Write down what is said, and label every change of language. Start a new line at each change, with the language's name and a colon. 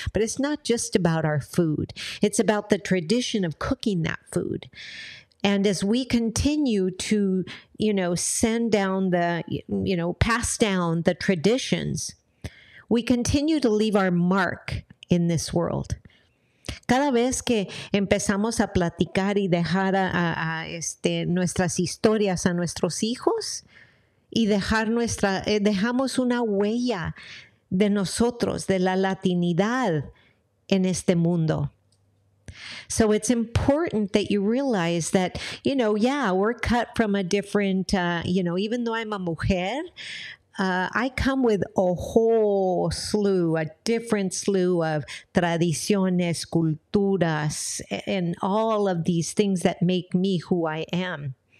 English: But it's not just about our food. It's about the tradition of cooking that food. And as we continue to, you know, send down the, you know, pass down the traditions, we continue to leave our mark in this world.
Spanish: Cada vez que empezamos a platicar y dejar a nuestras historias a nuestros hijos y dejar nuestra, dejamos una huella de nosotros, de la latinidad en este mundo.
English: So it's important that you realize that, you know, yeah, we're cut from a different, you know, even though I'm a mujer, I come with a whole slew, a different slew of
Spanish: tradiciones, culturas,
English: and all of these things that make me who I am.